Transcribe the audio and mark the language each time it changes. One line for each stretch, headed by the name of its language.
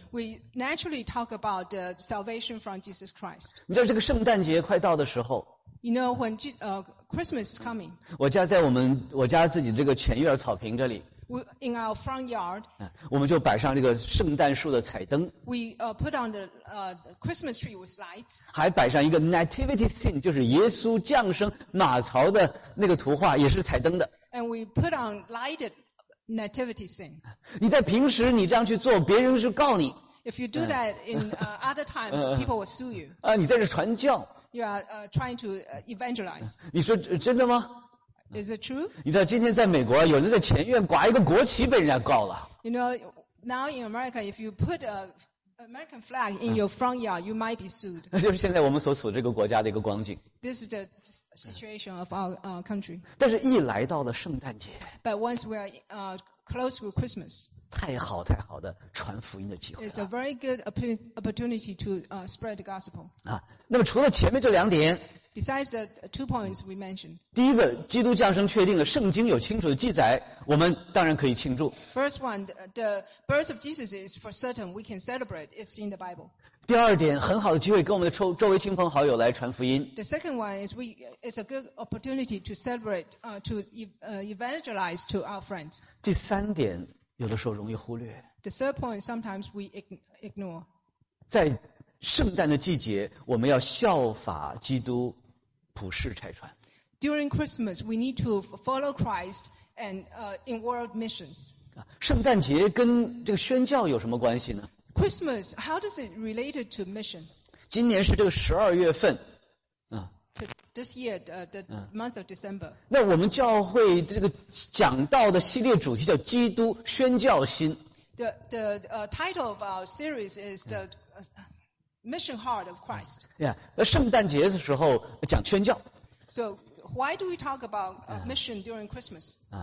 English: We naturally talk about the salvation from Jesus Christ.
Chinese: 你知道这个圣诞节快到的时候。
English: You know when Christmas is coming.
Chinese: 我家自己这个前院草坪这里。
English: In our front yard,
Chinese: 我们就摆上这个圣诞树的彩灯。
English: We put on the Christmas tree with lights.
Chinese: 还摆上一个 Nativity scene, 就是耶稣降生马槽的那个图画，也是彩灯的。
English: And we put on lighted Nativity scene.
Chinese: 你在平时你这样去做，别人是告你。
English: If you do that in other times, people will sue you.
Chinese: 啊，你在这传教。
English: You are trying to evangelize.
Chinese: 你说真的吗？
English: Is it true?
Chinese: 你知道今天在美国，有人在前院挂一个国旗，被人家告了。
English: You know, now in America, if you put an American flag in your front yard, you might be sued.
Chinese: 那就是现在我们所处这个国家的一个光景。
English: This is the situation of our country.
Chinese: 但是，一来到了圣诞节
English: ，But once we are close to Christmas,
Chinese: 太好太好的传福音的机会了。
English: It's a very good opportunity to spread the gospel.
Chinese: 啊，那么除了前面这两点。
English: Besides the two points we mentioned,
Chinese: 第一个，基督降生确定了，圣经有清楚的记载，我们当然可以庆祝。
English: First one, the birth of Jesus is for certain. We can celebrate. It's in the Bible.
Chinese: 第二点，很好的机会跟我们的周围亲朋好友来传福音。
English: The second one is it's a good opportunity to celebrate, to evangelize to our friends.
Chinese: 第三点，有的时候容易忽略。
English: The third point sometimes we ignore.
Chinese: 在圣诞的季节，我们要效法基督，普世差传。
English: During Christmas, we need to follow Christ and in world missions.
Chinese: 圣诞节跟这个宣教有什么关系呢
English: ？Christmas, how does it related to mission?
Chinese: 今年是这个十二月份，
English: This year, the month of December.
Chinese: 那我们教会这个讲道的系列主题叫基督宣教心。
English: The title of our series is the Mission Heart of Christ.
Chinese: Yeah, 圣诞节的时候讲宣教。
English: So why do we talk about mission during Christmas?